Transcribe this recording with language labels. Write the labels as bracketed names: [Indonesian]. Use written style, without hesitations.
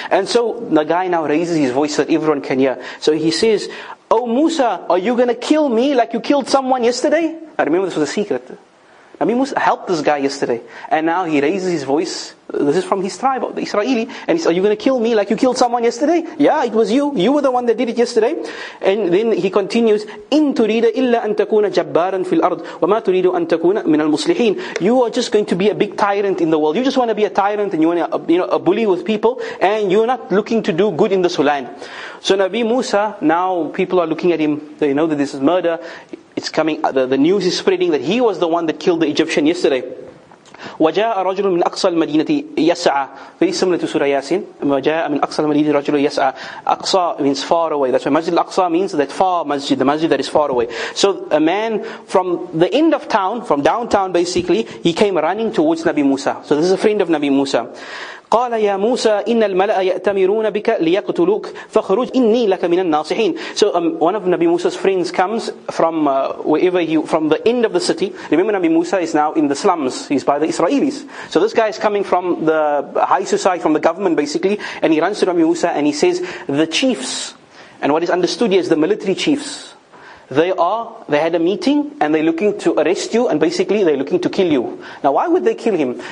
[English] And so the guy now raises his voice that everyone can hear. So he says, oh Musa, are you going to kill me like you killed someone yesterday? I remember this was a secret. Nabi Musa helped this guy yesterday. And now he raises his voice. This is from his tribe, the Israeli. And he says, are you going to kill me like you killed someone yesterday? Yeah, it was you. You were the one that did it yesterday. And then he continues, [Arabic] إِن تُرِيدَ إِلَّا أَن تَكُونَ جَبَّارًا فِي الْأَرْضِ وَمَا تُرِيدُ أَن تَكُونَ مِنَ الْمُسْلِحِينَ. [English] You are just going to be a big tyrant in the world. You just want to be a tyrant and you want to, you know, a bully with people. And you're not looking to do good in this land. So Nabi Musa, now people are looking at him. They know that this is murder. It's coming, the news is spreading that he was the one that killed the Egyptian yesterday. [Arabic] وَجَاءَ رَجُلٌ مِنْ أَقْصَى الْمَدِينَةِ يَسْعَى. [English] Very similar to Surah Yasin. [Arabic] وَجَاءَ مِنْ أَقْصَى الْمَدِينَةِ رَجُلٌ يَسْعَى. [English] أَقْصَى means far away. That's why Masjid al-Aqsa means that far masjid, the masjid that is far away. So a man from the end of town, from downtown basically, he came running towards Nabi Musa. So this is a friend of Nabi Musa. [Arabic] قال يا موسى إن الملأ يأتمرون بك ليقتلوك فخرج إني لك من الناصحين. [English] So one of Nabi Musa's friends comes from from the end of the city. Remember, Nabi Musa is now in the slums. He's by the Israelis. So this guy is coming from the high society, from the government basically, and he runs to Nabi Musa and he says, the chiefs, and what is understood here is the military chiefs, they had a meeting and they're looking to arrest you, and basically they're looking to kill you. Now why would they kill him?